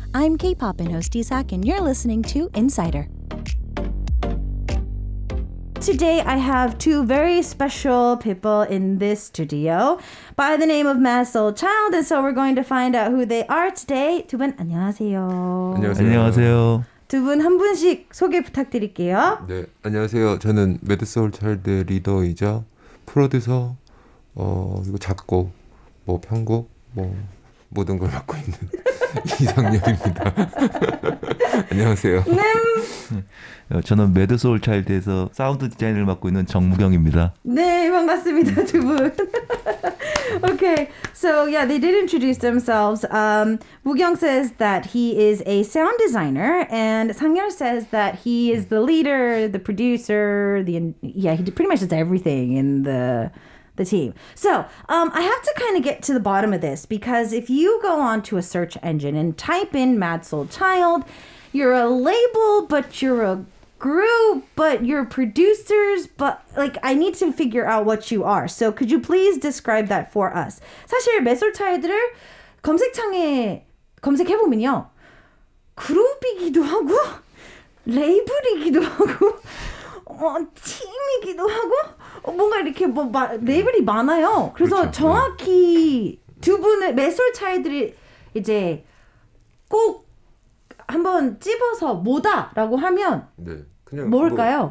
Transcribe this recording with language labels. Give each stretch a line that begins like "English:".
English: I'm K-pop and host Isak, and you're listening to Insider. Today, I have two very special people in this studio by the name of Masol Child, and so we're going to find out who they are today.
Korean: 두 분, 안녕하세요. 안녕하세요. 두 분 한 분씩 소개 부탁드릴게요. 네, 안녕하세요. 저는 Masol Child의 리더이자 프로듀서, 그리고 작곡, 뭐 편곡, 뭐 모든 걸 맡고 있는 이상렬입니다. 안녕하세요. 네. 저는 매드소울 차일드에서 사운드 디자인을 맡고 있는 정무경입니다. 네, 반갑습니다, 두 분.
English: Okay, so yeah, they did introduce themselves. Woo-kyung says that he is a sound designer, and Sang-yeol says that he is the leader, the producer, he pretty much does everything in the team. So I have to kind of get to the bottom of this, because if you go onto a search engine and type in Masol Child, you're a label, but you're a group, but you're producers, but like, I need to figure out what you are. So could you please describe that for us?
Korean: 사실 Masol Child을 검색창에 검색해보면요, 그룹이기도 하고 레이블이기도 하고 팀이기도 하고 뭔가 이렇게 뭐 레이블이 많아요. 그래서 그렇죠. 정확히 두 분의 Masol Child이 이제 꼭 한번 집어서 뭐다라고 하면 네, 그냥 뭘까요?